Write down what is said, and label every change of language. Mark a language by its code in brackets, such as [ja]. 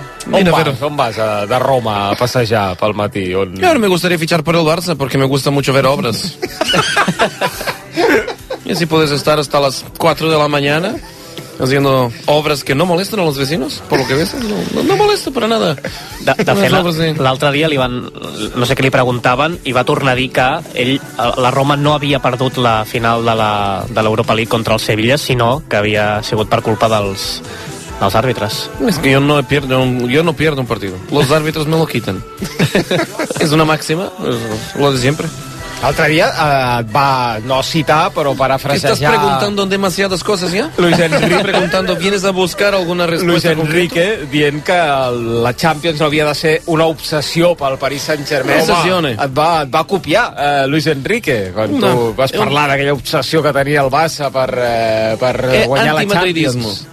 [ca] On vas de Roma a passejar pel matí? On... [es] Yo ahora me gustaría fichar por el Barça porque me gusta mucho ver obras. Y si puedes estar hasta las 4 de la mañana haciendo obras que no molestan a los vecinos, por lo que ves, no molesta para nada. [ca] De fet, l'altre dia li van, no sé què li preguntaven, i va tornar a dir que ell, la Roma no havia perdut la final de l'Europa League contra el Sevilla, sinó que havia sigut per culpa dels àrbitres. [es] Es que yo no pierdo un partido. Los árbitros me lo quitan. Es una máxima, lo de siempre. [ca] L'altre dia et va no citar, però parafrasejar... Estàs preguntant demasiadas coses, ja? Luis Enrique preguntant, [es] vienes a buscar alguna [ca] resposta concreta? Luis Enrique dient que la Champions no havia de ser una obsessió pel Paris Saint-Germain. [it] Obsessione. [ca] Et va copiar, Luis Enrique, quan no. Tu vas parlar d'aquella obsessió que tenia el Barça per guanyar la Champions.